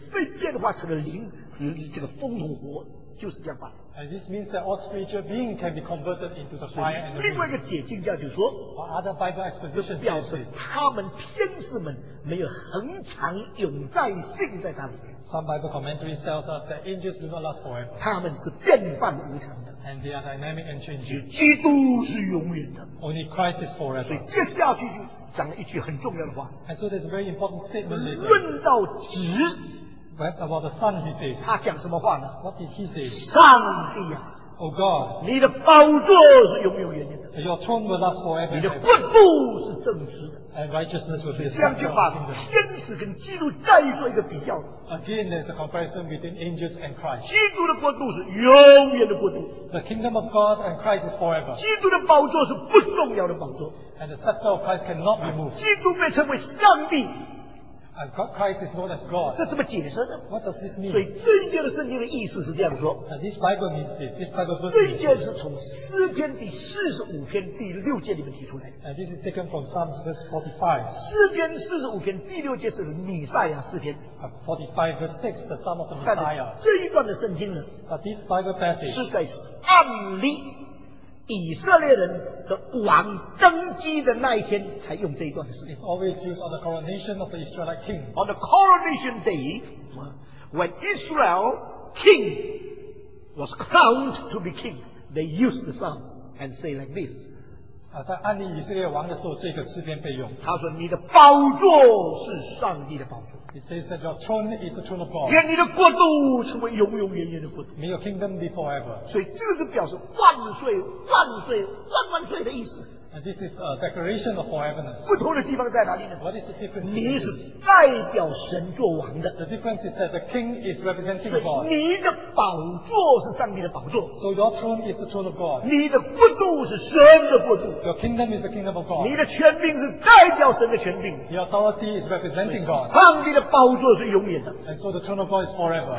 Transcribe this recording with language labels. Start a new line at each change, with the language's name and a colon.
Chinese: 所以这里表示呢，天军天使被造的灵界的东西是可以被变化成了灵，这个风和火。
English: And this means that all spiritual beings can be converted into the fire and the wind.
Chinese: 另外一个解经家就说,
English: or other Bible exposition says this. Some Bible commentaries tell us that angels do not last forever.
Chinese: 他们是变幻无常的,
English: and they are dynamic and changing.
Chinese: 基督是永远的,
English: only Christ is forever.
Chinese: 所以接下去就讲了一句很重要的话,
English: and so there's a very important statement later.
Chinese: 论到职,
English: about the Son, he says.
Chinese: 他讲什么话呢?
English: What did he say?
Chinese: 上帝啊,
English: oh God,
Chinese: 你的宝座是永永远远的,
English: your throne will last forever.
Chinese: 你的国度是正直的,
English: and righteousness will be established. Again, there's a comparison between angels and Christ.
Chinese: 基督的国度是永远的国度,
English: the kingdom of God and Christ is forever.
Chinese: 基督的宝座是不动摇的宝座,
English: and the scepter of Christ cannot be moved.
Chinese: 基督被称为上帝,
English: and God, Christ is known as God.
Chinese: 这怎么解释呢?
English: What does this mean?
Chinese: 所以这一节的圣经的意思是这样说,
English: and this Bible means this. This Bible verse means this.
Chinese: 这一节是从诗篇第45篇第6节里面提出来,
English: and this is taken from Psalms verse 45.
Chinese: 诗篇45篇第6节是弥赛亚诗篇,
English: 45 verse 6, the Psalm of the Messiah.
Chinese: 这一段的圣经呢,
English: but this Bible passage
Chinese: 是在暗里, 以色列人的王登基的那一天才用这一段的诗.
English: It's always used on the coronation of the Israelite king. On the coronation day, when Israel king was crowned to be king, they used the psalm and say like this.
Chinese: 在安立以色列王的时候，这个诗篇被用。他说：“你的宝座是上帝的宝座。”
English: It says that your throne is the throne of God.
Chinese: 愿你的国度成为永永远远的国度。
English: May your kingdom be forever.
Chinese: 所以这个是表示万岁万岁万万岁的意思。
English: And this is a declaration of forevermore.
Chinese: 不同的地方在哪里呢?
English: What is the difference?
Chinese: 你是代表神作王的。
English: The difference is that the king is representing God.
Chinese: 你的宝座是上帝的宝座。
English: So your throne is the throne of God.
Chinese: 你的国度是神的国度。
English: Your kingdom is the kingdom of God.
Chinese: 你的权柄是代表神的权柄。
English: Your authority is representing God.
Chinese: 上帝的宝座是永远的。
English: And so the throne of God is forever.